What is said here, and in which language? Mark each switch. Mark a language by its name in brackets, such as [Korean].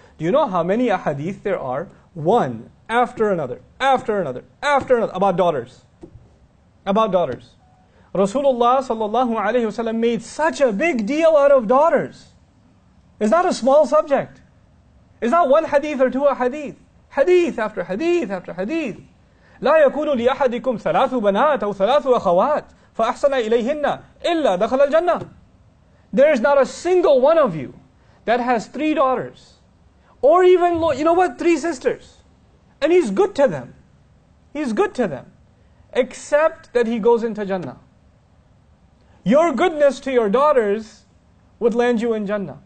[English] Do you know how many ahadith there are? One after another, after another, after another, about daughters. About daughters. Rasulullah sallallahu alayhi wa sallam made such a big deal out of daughters. It's not a small subject. It's not one hadith or two ahadith. Hadith after hadith after hadith. [Arabic] لا يكون لأحدكم ثلاث بنات أو ثلاث أخوات فأحسن إليهن إلا دخل الجنة. [English] There is not a single one of you that has three daughters. Or even, you know what, three sisters. And he's good to them. He's good to them. Except that he goes into Jannah. Your goodness to your daughters would land you in Jannah.